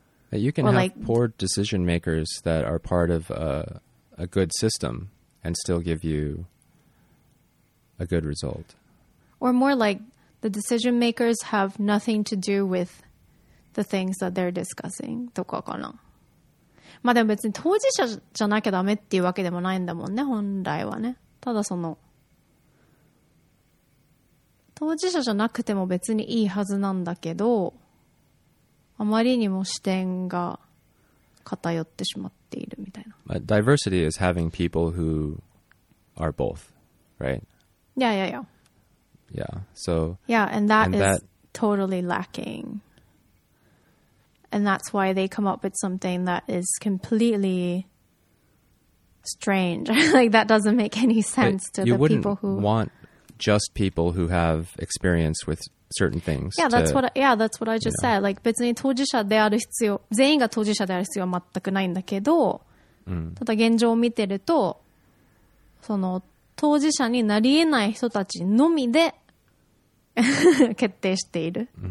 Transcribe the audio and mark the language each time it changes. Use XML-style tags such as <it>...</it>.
<en>You can have poor decision makers that are part of a good system and still give you a good result. Or more like the decision makers have nothing to do with the things that they're discussing.</en> <ja>とかかな。まあでも別に当事者じゃなきゃダメっていうわけでもないんだもんね、本来はね。ただその、当事者じゃなくても別にいいはずなんだけど、あまりにも視点が偏ってしまっているみたいな。</ja> <en>But diversity is having people who are both, right? Yeah, yeah, yeah. Yeah, so... Yeah, and that and is that... totally lacking... And that's why they come up with something that is completely strange. Like, that doesn't make any sense、 But、 to the people who... You wouldn't want just people who have experience with certain things. Yeah, that's what I just said.</en> <ja>Like, 別に当事者である必要、全員が当事者である必要は全くないんだけど、ただ現状を見てると、その当事者になり得ない人たちのみで決定している</ja>